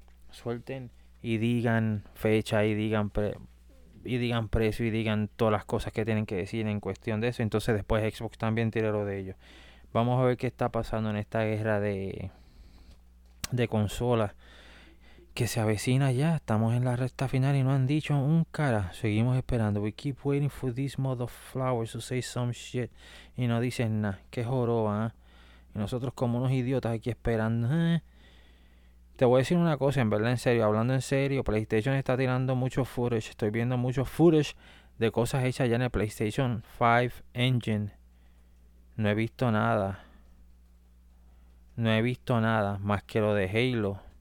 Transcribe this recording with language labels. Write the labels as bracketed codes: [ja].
[es] Suelten y digan fecha. Y digan precio. Y digan todas las cosas que tienen que decir en cuestión de eso. Entonces después Xbox también tira lo de ellos. Vamos a ver qué está pasando en esta guerra de consolas. Que se avecina ya, estamos en la recta final y no han dicho un cara. Seguimos esperando. [en] We keep waiting for this motherflower to say some shit. [es] Y no dicen nada. Qué joroba, ¿eh? Y nosotros como unos idiotas aquí esperando. Te voy a decir una cosa, en verdad, en serio, hablando en serio, PlayStation está tirando mucho footage. Estoy viendo mucho footage de cosas hechas ya en el PlayStation 5 Engine. No he visto nada. No he visto nada más que lo de Halo.